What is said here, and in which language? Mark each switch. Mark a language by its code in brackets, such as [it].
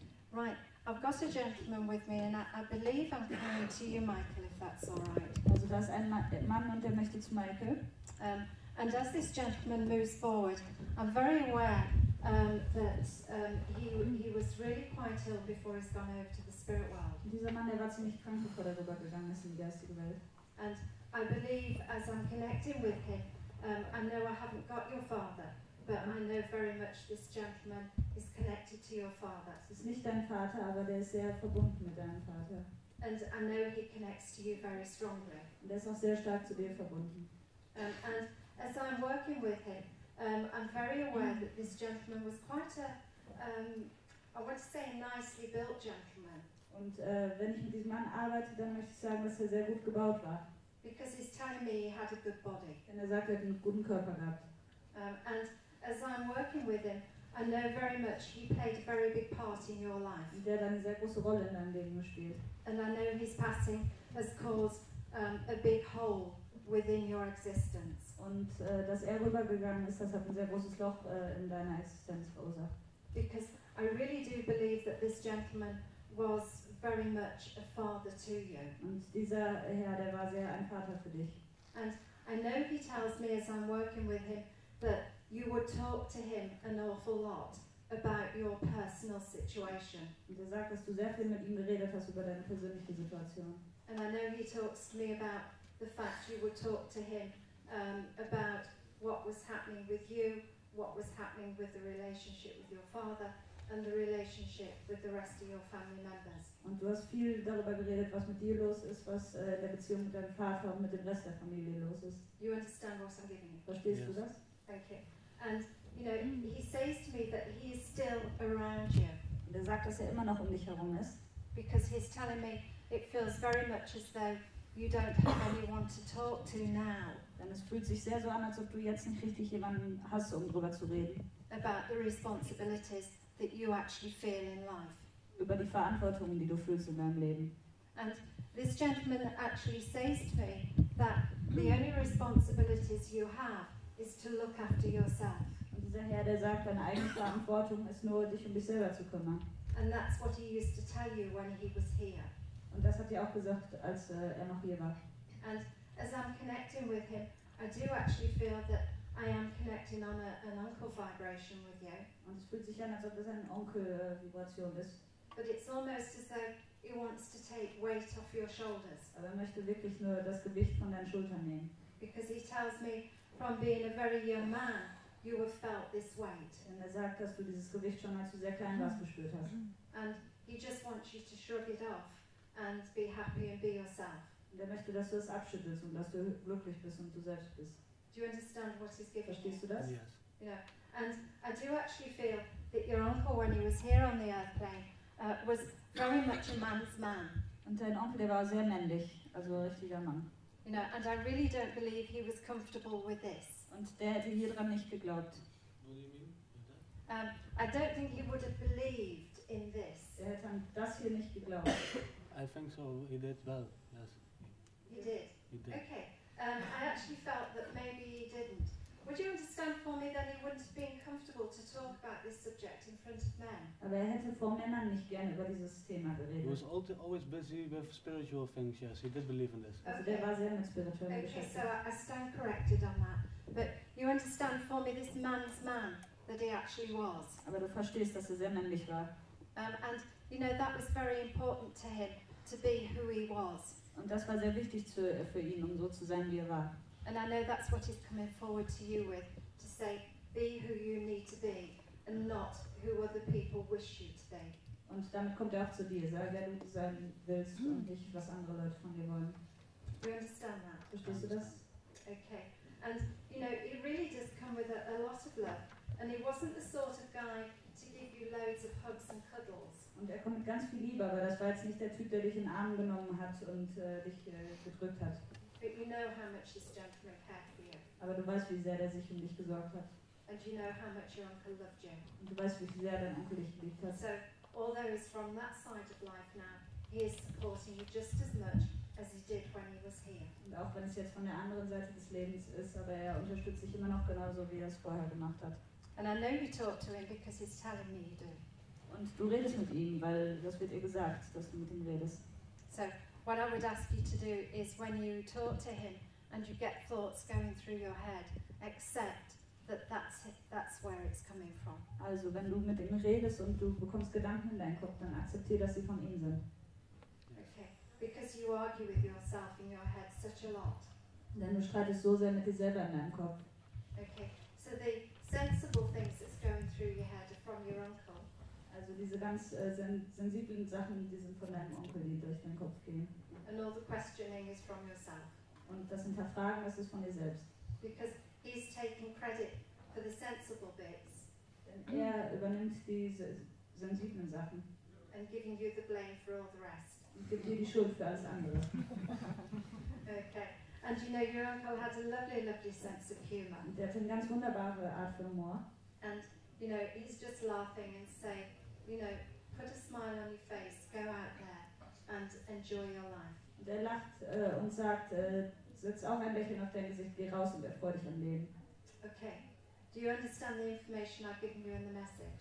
[en] Right, I've got a gentleman with me, and I believe I'm coming to you, Michael, if that's all right. [de] Also, da ist ein Mann und der möchte zu Michael. [en] And as this gentleman moves forward, I'm very aware that he was really quite ill before he's gone over to the spirit world. [de] Dieser Mann, der war ziemlich krank, bevor er rübergegangen ist in die geistige Welt. [en] And I believe, as I'm connecting with him, I know I haven't got your father. But I know very much this gentleman is connected to your father. [de] Es ist nicht dein Vater, aber der ist sehr verbunden mit deinem Vater. [en] And I know he connects to you very strongly. [de] Und er ist auch sehr stark zu dir verbunden. [en] And as I'm working with him, I'm very aware that this gentleman was quite a, I want to say, a nicely built gentleman. [de] Und wenn ich mit diesem Mann arbeite, dann möchte ich sagen, dass er sehr gut gebaut war. [en] Because he's telling me he had a good body. [de] Denn er sagt, er hat einen guten Körper gehabt. [en] And as I'm working with him, I know very much he played a very big part in your life. [de] Der hat eine sehr große Rolle in deinem Leben gespielt. [en] And I know his passing has caused a big hole within your existence. [de] Und dass er rübergegangen ist, das hat ein sehr großes Loch in deiner Existenz verursacht. [en] Because I really do believe that this gentleman was very much a father to you. [de] Und dieser Herr, der war sehr ein Vater für dich. [en] And I know he tells me as I'm working with him that you would talk to him an awful lot about your personal situation. [de] Und er sagt, dass du sehr viel mit ihm geredet hast über deine persönliche Situation. [en] And I know he talks to me about the fact you would talk to him about what was happening with you, what was happening with the relationship with your father and the relationship with the rest of your family members. [de] Und du hast viel darüber geredet, was mit dir los ist, was in der Beziehung mit deinem Vater und mit dem Rest der Familie los ist. [en] You understand what I'm giving you? [de] Verstehst du das? [en] Okay. And you know, he says to me that he is still around you. [de] Und er sagt, dass er immer noch um dich herum ist. [en] Because he's telling me it feels very much as though you don't have anyone to talk to now. [de] Denn es fühlt sich sehr so an, als ob du jetzt nicht richtig jemanden hast, um drüber zu reden. [en] About the responsibilities that you actually feel in life. [de] Über die Verantwortungen, die du fühlst in deinem Leben. [en] And this gentleman actually says to me that the only responsibilities you have is to look after yourself. [de] Und dieser Herr, der sagt, deine eigene Verantwortung ist nur, dich um dich selber zu kümmern. [en] And that's what he used to tell you when he was here. [de] Und das hat er auch gesagt, als er noch hier war. [en] And as I'm connecting with him, I do actually feel that I am connecting on an uncle vibration with you. [de] Und es fühlt sich an, als ob das eine Onkel-Vibration ist. [en] But it's almost as though he wants to take weight off your shoulders. [de] Aber er möchte wirklich nur das Gewicht von deinen Schultern nehmen. [en] Because he tells me, from being a very young man, you have felt this weight. [de] Und er sagt, dass du dieses Gewicht schon als du sehr klein warst gespürt hast. [en] And he just wants you to shrug it off and be happy and be yourself. [de] Und er möchte, dass du es abschüttelst und dass du glücklich bist und du selbst bist. [en] Do you understand what he's giving? [de] Verstehst du das? [en] Yes. Yeah. And I do actually feel that your uncle, when he was here on the earth plane, was very much a man's man. [de] Und dein Onkel, der war sehr männlich, also ein richtiger Mann. [en] You know, and I really don't believe he was comfortable with this. [de] Und der hätte hier dran nicht geglaubt. [en] What do you mean? I don't think he would have believed in this. [de] Der hätte an das hier nicht geglaubt. [en] I think so. He did well. Yes. He did. He did. Okay. I actually felt that maybe he didn't. Would you understand for me that he wouldn't have been comfortable to talk about this subject in front of men? [de] Aber er hätte vor Männern nicht gerne über dieses Thema geredet. [en] He was always busy with spiritual things, yes, he did believe in this. [de] Okay. Also der war sehr mit spirituellen Geschichten. [en] Okay, so I stand corrected on that. But you understand for me this man's man that he actually was. [de] Aber du verstehst, dass er sehr männlich war. [en] And you know, that was very important to him, to be who he was. [de] Und das war sehr wichtig für ihn, um so zu sein, wie er war. [en] And I know that's what he's coming forward to you with, to say, be who you need to be, and not who other people wish you to be. [de] Und damit kommt auch zu dir, sei wer du sein willst und nicht, was andere Leute von dir wollen. [en] Do you understand that? [de] Verstehst du das? [en] Okay. And, you know, he really does come with a lot of love. And he wasn't the sort of guy to give you loads of hugs and cuddles. [de] Und er kommt mit ganz viel Liebe, aber das war jetzt nicht der Typ, der dich in den Arm genommen hat und dich gedrückt hat. [en] But you know how much this gentleman cared for you. [de] Aber du weißt, wie sehr er sich um dich gesorgt hat. [en] And you know how much your uncle loved you. [de] Und du weißt, wie sehr dein Onkel dich geliebt hat. [en] So, although he's from that side of life now, he is supporting you just as much as he did when he was here. [de] Und auch wenn es jetzt von der anderen Seite des Lebens ist, aber er unterstützt dich immer noch genauso, wie er es vorher gemacht hat. [en] And I know you talk to him because he's telling me you do. [de] Und du redest mit ihm, weil das wird ihr gesagt, dass du mit ihm redest. [en] So, what I would ask you to do is when you talk to him and you get thoughts going through your head, accept that that's where it's coming from. [de] Also, wenn du mit ihm redest und du bekommst Gedanken in deinen Kopf, dann akzeptier, dass sie von ihm sind. [en] Okay, because you argue with yourself in your head such a lot. [de] Denn du streitest so sehr mit dir selber in deinem Kopf. [en] Okay, so the sensible things that's going through your head are from your uncle. [de] Also diese ganz sensiblen Sachen, die sind von deinem Onkel, die durch deinen Kopf gehen. [en] And all the questioning is from yourself. [de] Und das Hinterfragen, das ist von dir selbst. [en] Because he's taking credit for the sensible bits. [de] Denn er übernimmt diese sensiblen Sachen. [en] And giving you the blame for all the rest. [de] Und gibt dir die Schuld für alles andere. [en] Okay. And you know, your uncle had a lovely, lovely sense of humor. [de] Und er hat eine ganz wunderbare Art von Humor. [en] And you know, he's just laughing and saying, you know, put a smile on your face, go out there and enjoy your life. [de] Und er lacht und sagt, setz auch ein Lächeln auf dein Gesicht, geh raus und erfreu dich am Leben. [en] Okay. Do you understand the information I've given you in the message?